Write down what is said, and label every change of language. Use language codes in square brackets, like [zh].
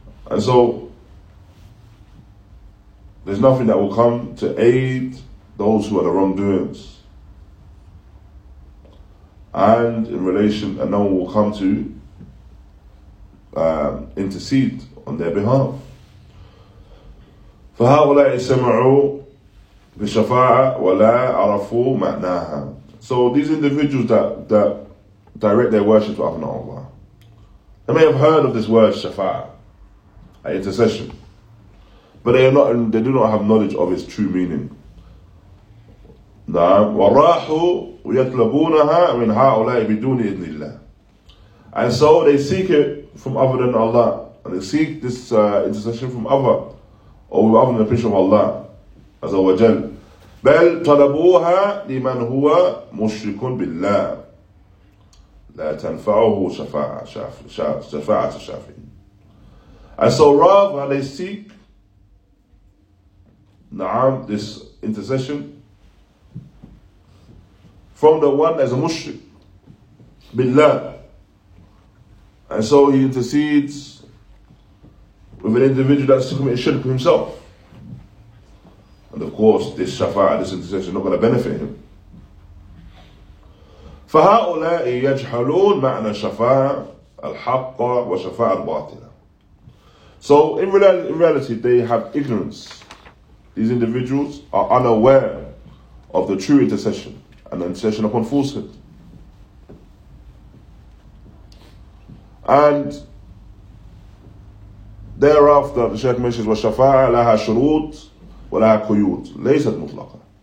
[en] And so, there's nothing that will come to aid those who are the wrongdoers. And in relation, and no one will come to intercede on their behalf. [ar] فهؤلاء سمعوا بشفاعة ولا عرفوا معناها. [en] So these individuals that direct their worship to Abna Allah, they may have heard of this word shafa'ah, an intercession, but they do not have knowledge of its true meaning. [ar] نعم وراحوا ويطلبونها من هؤلاء بدون إذن الله. [en] And so they seek it from other than Allah, and they seek this intercession from other, or with other than the permission of Allah, as a wajal. [ar] بل طلبوها لمن هو مشرك بالله لا تنفعه شفاعة شفاعة الشافعين. [en] And so rather they seek, نعم, this intercession from the one as a mushrik, بالله. And so he intercedes with an individual that's committing shirk himself. And of course, this shafa'ah, this intercession, is not going to benefit him. [ar] فهؤلاء يجحلون معنى شفاعة الحق وشفاعة الباطلة. [en] So in reality, they have ignorance. These individuals are unaware of the true intercession and the intercession upon falsehood. And thereafter, the Shaykh mentions, [ar] وَالشَّفَاعَ لَهَا شُرُوط وَلَهَا قُيُوط لَيْسَتْ مُطْلَقًا.